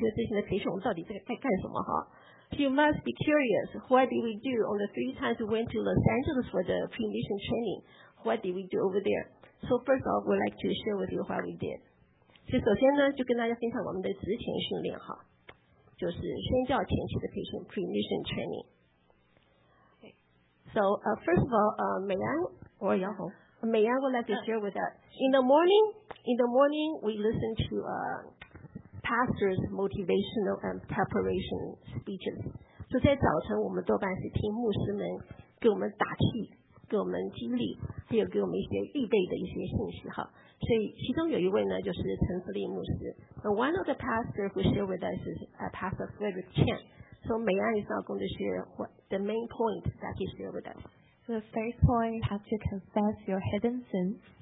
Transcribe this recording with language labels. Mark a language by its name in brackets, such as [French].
[Chinese] 在我们去参加感恩之前呢,你们一定很好奇,说我们去洛杉矶三次做这个短靴之前的培训,我们到底在干什么哈? [English] You must be curious, what did we do on the three times we went to Los Angeles for the pre-mission training? What did we do over there? So first of all, we'd like to share with you what we did. [Chinese] 就首先呢,就跟大家分享我们的职前训练,就是宣教前期的培训, [English] pre-mission training. Okay. So first of all, Mei-An, or Yao-Hong, Mei-An would like to share with us. In the morning, we listened to pastor's motivational and preparation speeches. [Chinese] 就在早晨,我们多半是听牧师们给我们打气, 给我们激励,还有给我们一些预备的一些信息。所以其中有一位呢,就是陈思立牧师. [English] One of the pastors who shared with us is Pastor Frederick Chen. So Mei-An is now going to share what the main point that he shared with us. The first point, have to confess your hidden sins.